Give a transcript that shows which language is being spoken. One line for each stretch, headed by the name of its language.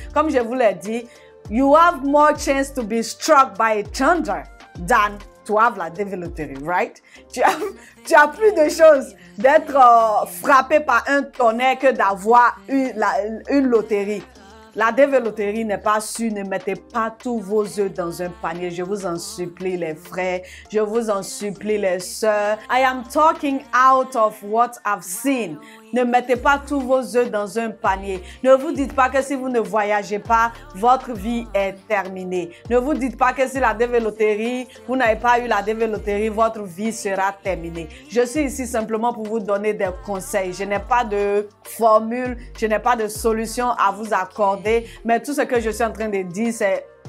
French: Comme je vous l'ai dit,
English: you have more chance to be struck by a thunder than to have
French: la dévéloterie,
English: right?
French: Tu as plus de chances d'être frappé par un tonnerre que d'avoir une loterie. La dévéloterie n'est pas sûre. Ne mettez pas tous vos œufs dans un panier. Je vous en supplie, les frères. Je vous en supplie, les sœurs.
English: I am talking out of what I've seen.
French: Ne mettez pas tous vos œufs dans un panier. Ne vous dites pas que si vous ne voyagez pas, votre vie est terminée. Ne vous dites pas que si la dévéloterie, vous n'avez pas eu la dévéloterie, votre vie sera terminée. Je suis ici simplement pour vous donner des conseils. Je n'ai pas de formule, je n'ai pas de solution à vous accorder. Mais tout ce que je suis en train de dire, c'est